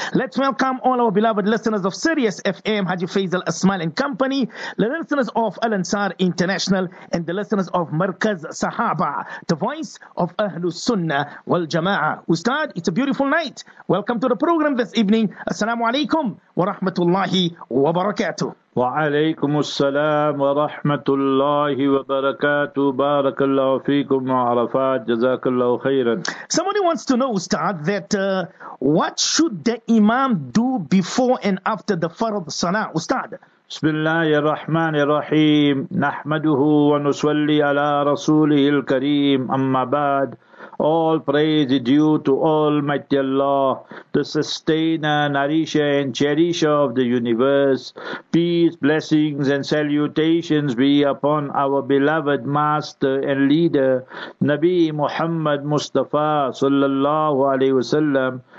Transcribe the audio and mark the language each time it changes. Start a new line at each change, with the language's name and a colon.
English: Let's welcome all our beloved listeners of Sirius FM, Haji Faisal Asmal and Company, the listeners of Al Ansar International, and the listeners of Markaz Sahaba, the voice of Ahlus Sunnah wal Jama'ah. Ustad, it's a beautiful night. Welcome to the program this evening.
Arabic: Assalamu alaikum wa rahmatullahi wa barakatuh. وعليكم السلام ورحمة الله وبركاته بارك الله فيكم وعرفات جزاك الله خيرا.
English: Somebody wants to know, Ustaz, that what should the Imam do before and after the Fard Salah, Ustaz?
Arabic: بسم الله الرحمن الرحيم نحمده ونصلي على رسوله الكريم أما بعد.
English: All praise is due to Almighty Allah, the sustainer, nourisher, and cherisher of the universe. Peace, blessings, and salutations be upon our beloved master and leader, Nabi Muhammad Mustafa sallallahu alayhi wasallam.